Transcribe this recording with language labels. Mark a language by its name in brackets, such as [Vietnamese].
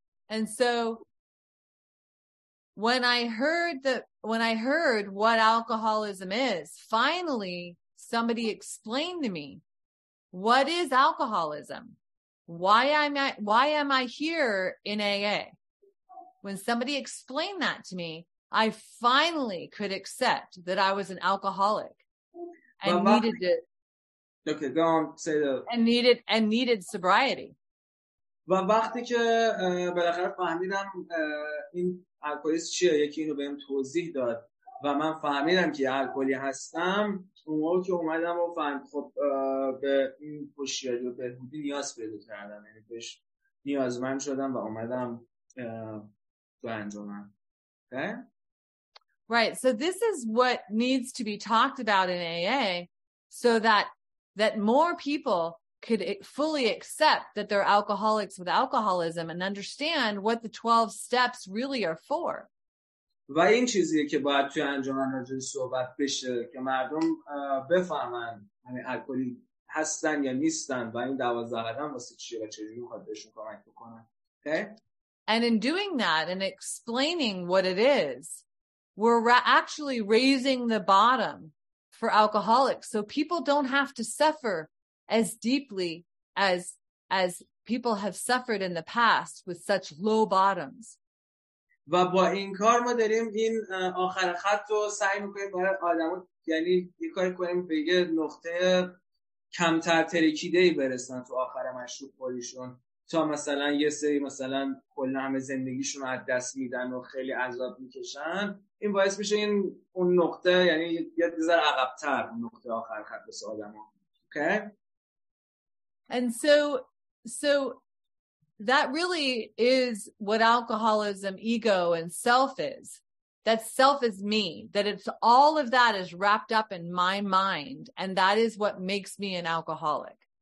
[English] And so when I heard what alcoholism is, finally somebody explained to me what is alcoholism, why am I here in AA. When somebody explained that to me, I finally could accept that I was an alcoholic and needed to Okay, go on, say that. And needed sobriety. [Persian] و وقتی که بالاخره فهمیدم این الکلیس چیه، یکی اینو بهم توضیح داد و من فهمیدم که الکلی هستم، اون موقع که اومدم و فهمیدم، خب به این هوشیاری و بهبودی نیاز پیدا کردم، یعنی بهش نیازمند شدم و اومدم تو انجمن. [English] Okay? Right, so this is what needs to be talked about in AA so that more people could fully accept that they're alcoholics with alcoholism and understand what the 12 steps really are for. [Persian] و این چیزیه که باید توی انجمن راجعش صحبت بشه که مردم بفهمن یعنی الکلی هستن یا نیستن و این 12 قدم واسه چیه و چجوری میخواد بهشون کمک بکنن. [English] Okay? And in doing that and explaining what it is, we're actually raising the bottom for alcoholics so people don't have to suffer as deeply as people have suffered in the past with such low bottoms. [Persian] و با این کار ما داریم این آخر خط رو سعی می‌کنیم برای آدم‌ها، یعنی یه کاری کنیم به یه نقطه کمتر ترکیده‌ای برسن تو آخر مشروب خوریشون، تا مثلا یه سری مثلا کل همه زندگیشون از دست میدن و خیلی عذاب میکشن، این باعث میشه این اون نقطه، یعنی یه ذره عقب‌تر نقطه آخر خط بس آدم ها. [English] Okay? And so that really is what alcoholism, ego, and self is. That self is me. That it's all of that is wrapped up in my mind. And that is what makes me an alcoholic.